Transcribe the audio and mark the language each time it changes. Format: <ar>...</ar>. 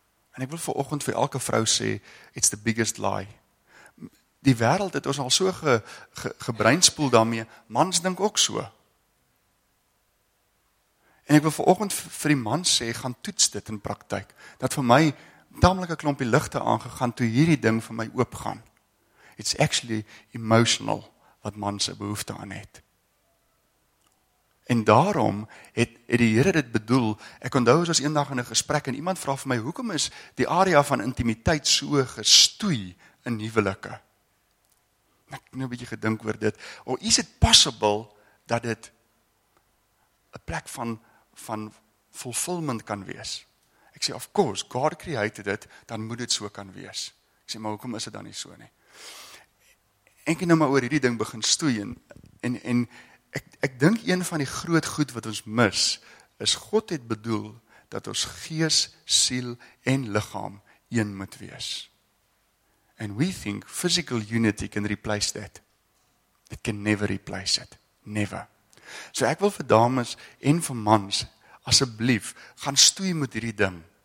<af>En ek wil vir oggend vir elke vrou sê,</af> <en>it's the biggest lie.</en> <af>Die wêreld het ons al so gebreinspoel daarmee, mans dink ook so. En ek wil vanoggend vir die man sê, gaan toets dit in praktyk. Dat vir my tamelike klompie ligte aangegaan toe hierdie ding vir my oopgaan.</af> <en>It's actually emotional</en> <af>wat man se behoefte aan het. En daarom het die Here dit bedoel. Ek onthou ons was eendag in 'n gesprek en iemand vra vir my, hoekom is die area van intimiteit so gestoei in huwelike? Ek het nou 'n bietjie gedink oor dit.</af> <en>Or is it possible</en> <af>dat dit 'n plek van fulfillment kan wees. Ek sê, of course, God created it, dan moet dit so kan wees. Ek sê, maar hoekom is dit dan nie so nie? Ek het nou maar oor hierdie ding begin stoei, en ek dink een van die groot goed wat ons mis, is God het bedoel, dat ons gees, siel en lichaam een moet wees.</af> <en>And we think physical unity can replace that. It can never replace it. Never.</en> <af>So ek wil vir dames en vir mans, asseblief, gaan stoei met hierdie ding.</af>